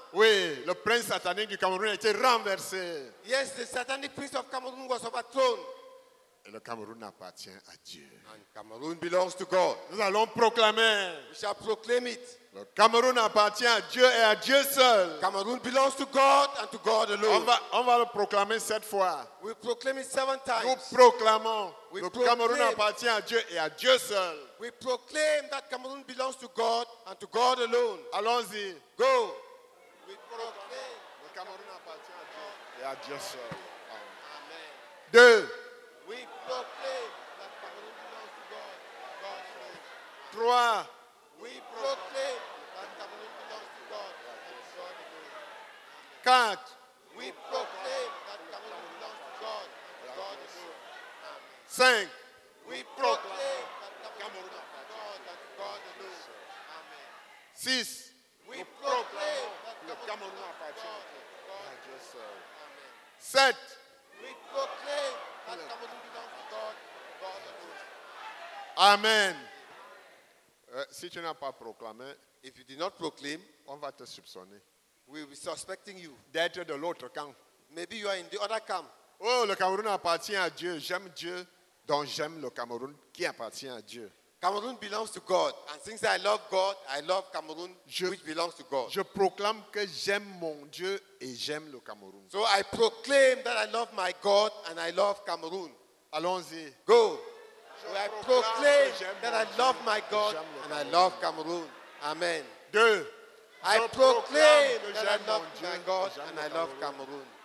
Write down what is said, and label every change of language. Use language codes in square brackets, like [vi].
[fr] Oui, le prince satanique du Cameroun a été renversé. [en] Yes, the satanic prince of Cameroon was overthrown. [fr] Et le Cameroun appartient à Dieu. [en] And Cameroon belongs to God. [fr] Nous allons proclamer. [en] We shall proclaim it. [fr] Le Cameroun appartient à Dieu et à Dieu seul. [en] Cameroon belongs to God and to God alone. [fr] On va le proclamer sept fois. [en] We proclaim it seven times. [fr] Nous proclamons. Cameroun appartient à Dieu et à Dieu seul. [en] We proclaim that Cameroon belongs to God and to God alone. [fr] Allons-y. [en] Go. We proclaim. [fr] Le Cameroun appartient à Dieu et à Dieu seul. Amen. Deux. [en] We proclaim that Cameroon belongs to God and God alone. [fr] Trois. [en] We proclaim that Cameroon belongs to God and God alone. [fr] Quatre. [en] We proclaim that Cameroon belongs to God and to God alone. [fr] Cinq. [en] We proclaim that Cameroon belongs to God and to God alone. Amen. [fr] Six. [en] We proclaim that Cameroon belongs to God and to God alone. Amen. [fr] Sept. [en] We proclaim that Cameroon belongs to God and God alone. [fr] Amen. Si tu n'as pas proclamé, [en] if you did not proclaim, [fr] on va te soupçonner. [en] We'll be suspecting you. [fr] D'être de l'autre camp. [en] Maybe you are in the other camp. [fr] Oh, le Cameroun appartient à Dieu. J'aime Dieu, donc j'aime le Cameroun qui appartient à Dieu. [en] Cameroon belongs to God. And since I love God, I love Cameroon, which belongs to God. [fr] Je proclame que j'aime mon Dieu et j'aime le Cameroun. [en] So I proclaim that I love my God and I love Cameroon. [fr] Allons-y. [en] Go. I proclaim that I love my God and I love Cameroon. Amen. [fr] Deux. [en] I proclaim that I love my God and I love Cameroon.